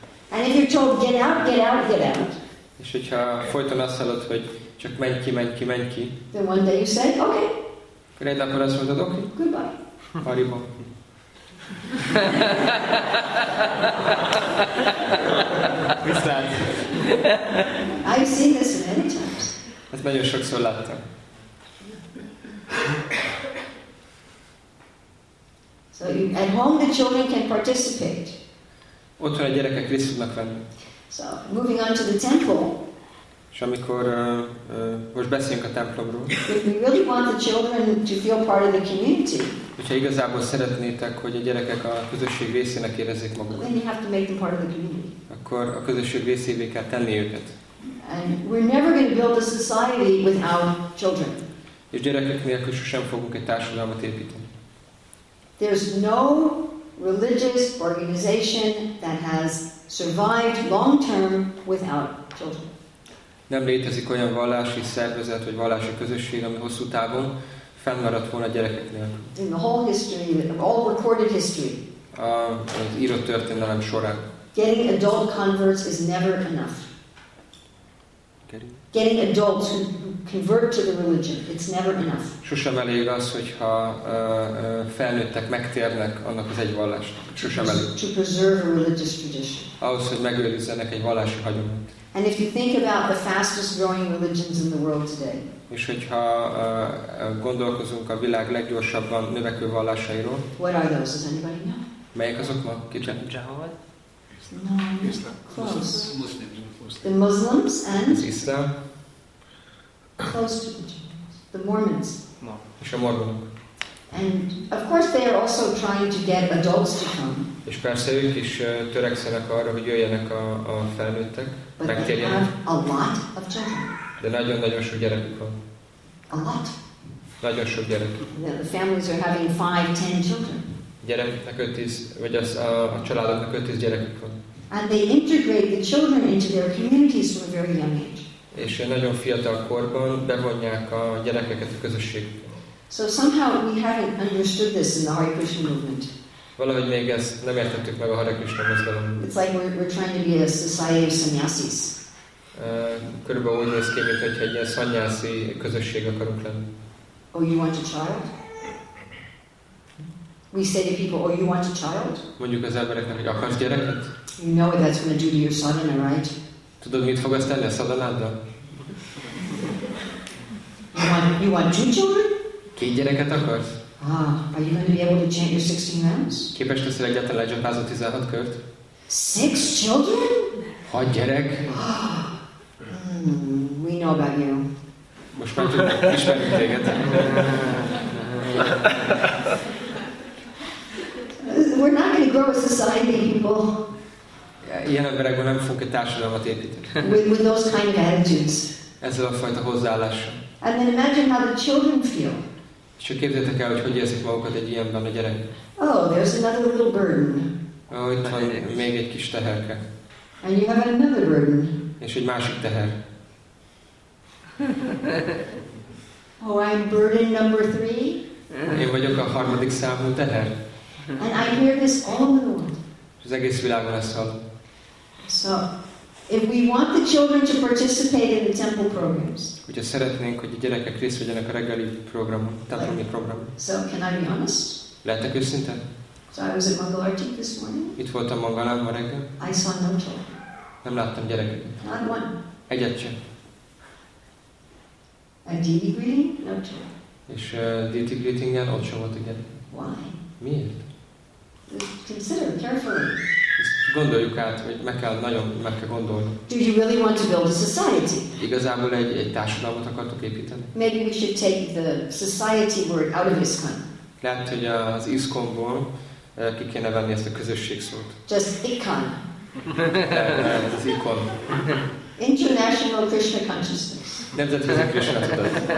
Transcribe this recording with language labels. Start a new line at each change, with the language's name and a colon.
English: And if you're told, get out, get out, get out.
Hungarian: És hogyha folyton azt hallod, hogy csak menj ki, menj ki, menj ki.
English: Then one day you say, okay.
Hungarian: Akkor egy napra azt mondod, okay.
English: Goodbye. Haribo.
Hungarian: Viszlát.
English: I've seen this many times.
Hungarian: Ezt nagyon sokszor láttam.
English: So you, at home the children can participate.
Hungarian: Otthon a gyerekek részt tudnak venni.
English: So moving on to the temple.
Hungarian: És amikor most beszélünk a templomról.
English: If you really want the children to feel part of the community.
Hungarian: Hogyha igazából szeretnétek, hogy a gyerekek a közösség részének érezzék magukat.
English: Then you have to make them part of the community.
Hungarian: Akkor a közösség részévé kell tenni őket.
English: And we're never going to build a society without children.
Hungarian: És gyerekek nélkül sosem fogunk egy társadalmat építeni.
English: There's no religious organization that has survived long term without children.
Hungarian: Nem létezik olyan vallási szervezet vagy vallási közösség, ami hosszú távon fennmaradt volna gyerekek nélkül.
English: In the whole history, of all recorded history.
Hungarian: Az írott történelem során.
English: Getting adult converts is never enough. Getting adults who convert to the religion, it's never enough.
Hungarian: Sosem elég az, hogyha felnőttek megtérnek annak az egy vallást. Sosem elég.
English: To preserve a religious tradition.
Hungarian: Ahhoz, hogy megőrizzenek egy vallási hagyományt.
English: And if you think about the fastest growing religions in the world today.
Hungarian: És hogyha gondolkozunk a világ leggyorsabban növekvő vallásairól.
English: What are those? Does anybody know?
Hungarian: Melyek azok ma?
English: Jehovah? No. Islam. Muslims. The Muslims and Islam. Close to the Mormons.
Hungarian: És a Mormonok.
English: And of course they are also trying to get adults to come.
Hungarian: És persze ők is törekszenek arra, hogy jöjjenek a felnőttek, megtérjenek.
English: A lot of children.
Hungarian: De nagyon-nagyon sok gyerekük van.
English: A lot.
Hungarian: Nagyon sok gyerek.
English: The families are having 5-10 children.
Hungarian: Gyerekeknek 5-10, vagy az a családoknak 5-10 gyerekük van.
English: And they integrate the children into their communities from a very young age.
Hungarian: És nagyon fiatal korban bevonják a gyerekeket a közösségbe.
English: So somehow we haven't understood this in the Hare Krishna movement.
Hungarian: Valahogy még ezt nem értettük meg a Hare Krishna mozgalomban.
English: It's like we're trying to be a society of sannyasis.
Hungarian: Körülbelül úgy néz ki, mint hogy egy ilyen szanyászi közösség akarunk lenni.
English: Oh, you want a child? We say to people, oh, you want a child?
Hungarian: Mondjuk az embereknek, hogy akarsz gyereket?
English: You know what that's going to do to your sadhana, right?
Hungarian: Tudod, mit fog ezt tenni a szadanáddal?
English: You want two children?
Hungarian: Két gyereket akarsz?
English: Ah, are you going to be able to chant your 16 rounds?
Hungarian: Képes leszel egyáltalán lecsapázni 16 kört?
English: Six children?
Hungarian: Hat gyerek?
English: We know about you.
Hungarian: Most már tudjuk, ismerjük téged.
English: We're not going to grow a society, people.
Hungarian: Ilyen emberekben nem fogunk egy társadalmat építeni.
English: With those kind of attitudes.
Hungarian: Ezzel a fajta hozzáállással.
English: And then imagine how the children feel.
Hungarian: És csak képzeljétek el, hogy hogy érzik magukat egy ilyenben a gyerek.
English: Oh, there's another little burden.
Hungarian: Ó, itt van még egy kis teherke.
English: And you have another burden.
Hungarian: És egy másik teher.
English: Oh, I'm burden number three.
Hungarian: Én vagyok a harmadik számú teher.
English: And I hear this all over the world.
Hungarian: És az egész világon ezt hall.
English: So, if we want the children to participate in the temple programs.
Hungarian: Hogyha szeretnénk, hogy a gyerekek részt vegyenek a reggeli programon, templomi programon.
English: So, can I be honest?
Hungarian: Lehetek őszinte?
English: So I was at Mangalarti this morning.
Hungarian: Itt voltam Mangalán ma reggel.
English: I saw no children.
Hungarian: Nem láttam gyereket.
English: Not one.
Hungarian: Egyet sem.
English: A deity greeting? No children.
Hungarian: És deity greetingen ott sem volt a gyerek.
English: Why?
Hungarian: Miért?
English: Consider carefully.
Hungarian: Gondoljuk át, hogy meg kell nagyon meg kell gondolni.
English: Do you really want to build a society?
Hungarian: Igazából egy társadalmat akartok építeni?
English: Maybe we should take the society word out of ISKCON.
Hungarian: Lehet, hogy az ISKCON-ból ki kéne venni ezt a közösség szót.
English: Just ICON.
Hungarian: Az ICON.
English: International Krishna Consciousness.
Hungarian: Nemzetközi Krishna Tudat.